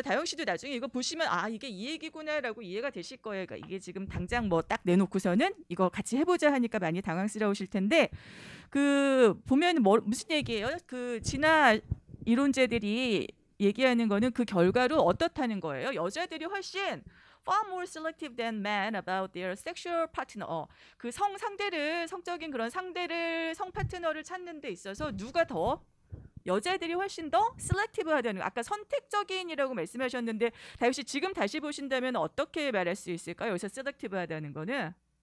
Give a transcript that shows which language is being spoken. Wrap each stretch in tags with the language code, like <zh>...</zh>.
<ko>다영 씨도 나중에 이거 보시면 아 이게 이 얘기구나라고 이해가 되실 거예요. 그러니까 이게 지금 당장 뭐딱 내놓고서는 이거 같이 해보자 하니까 많이 당황스러우실 텐데 그 보면 뭐 무슨 얘기예요? 그 진화 이론자들이 얘기하는 거는 그 결과로 어떻다는 거예요? 여자들이 훨씬</ko> <en>far more selective than men about their sexual partner.</en> <ko>그 성 상대를 성적인 그런 상대를 성 파트너를 찾는 데 있어서 누가 더 여자들이 훨씬 더 셀렉티브하다는, 아까 선택적인이라고 말씀하셨는데 다시 지금 다시 보신다면 어떻게 말할 수 있을까요? 여기서 셀렉티브하다는 거는</ko>